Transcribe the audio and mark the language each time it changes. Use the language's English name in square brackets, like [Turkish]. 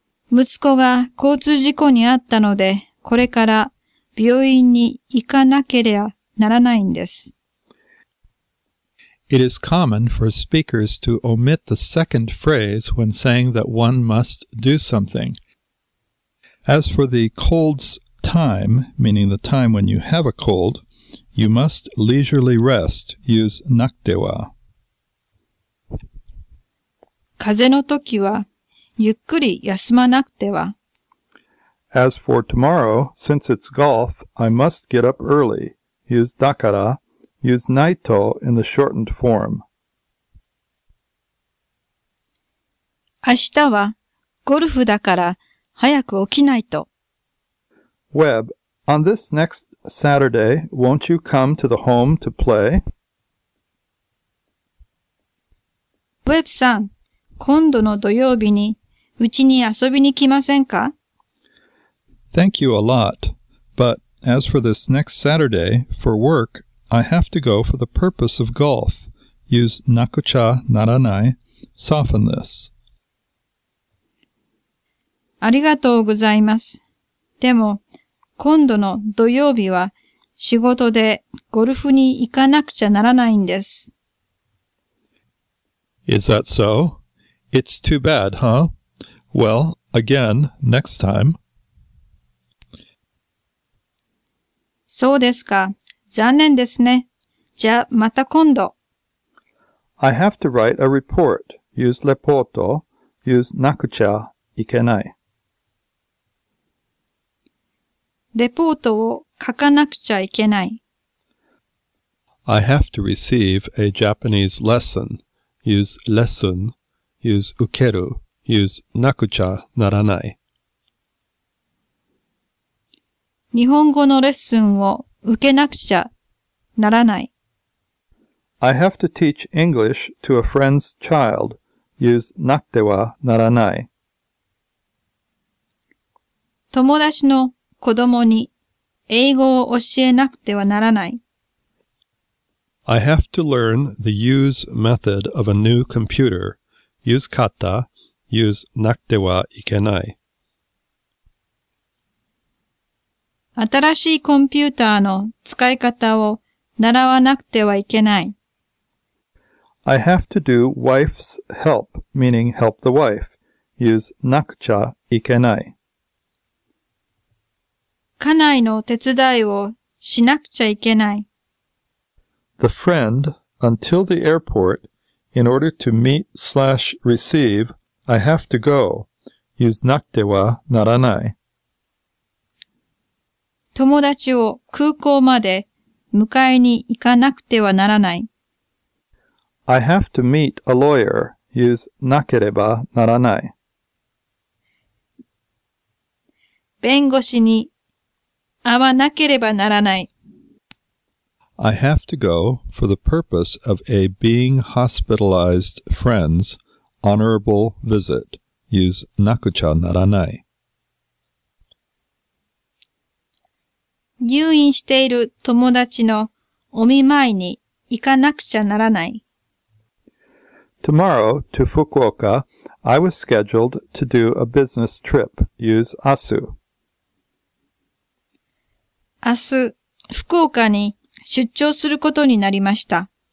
[Japanese] 息子が交通事故に遭ったので、これから病院に行かなければならないんです。 [English] It is common for speakers to omit the second phrase when saying that one must do something. As for the cold's time, meaning the time when you have a cold, you must leisurely rest. Use なくては。 [Japanese] 風の時は、ゆっくり休まなくては。 [English] As for tomorrow, since it's golf, I must get up early. Use だから, use ないと in the shortened form. [Japanese] 明日はゴルフだから早く起きないと。 [English] Webb, on this next Saturday, won't you come to the home to play? [Japanese] Webb さん、今度の土曜日にうちに遊びに来ませんか? [English] Thank you a lot, but as for this next Saturday, for work, I have to go for the purpose of golf. Use なくちゃならない, soften this. [Japanese] ありがとうございます。でも、今度の土曜日は仕事でゴルフに行かなくちゃならないんです。 [English] Is that so? It's too bad, huh? Well, again, next time. [Japanese] そうですか。残念ですね。じゃあ、また今度。 [English] I have to write a report. use Lepoto, use nakucha ikenai. [Japanese] Reporto wo kakanakucha ikenai. [English] I have to receive a Japanese lesson. Use lesson, use ukeru, use nakucha naranai. [Japanese] 日本語のレッスンを受けなくちゃならない。 [English] I have to teach English to a friend's child. Use なくてはならない。 [Japanese] 友達の子供に英語を教えなくてはならない。 [English] I have to learn the use method of a new computer. Use 買った、use なくてはいけない。 [Japanese] 新しいコンピューターの使い方を習わなくてはいけない。 [English] I have to do wife's help, meaning help the wife. Use なくちゃいけない。 [Japanese] 家内の手伝いをしなくちゃいけない。 [English] The friend, until the airport, in order to meet/receive, I have to go. Use なくてはならない。 [Japanese] 友達を空港まで迎えに行かなくてはならない。 [English] I have to meet a lawyer. Use なければならない。 [Japanese] 弁護士に会わなければならない。 [English] I have to go for the purpose of a being hospitalized friend's honorable visit. Use なくちゃならない。 [Japanese] 入院している友達のお見舞いに行かなくちゃならない。 [English] Tomorrow to Fukuoka, I was scheduled to do a business trip. Use 明日。 [Japanese] 明日、福岡に出張することになりました。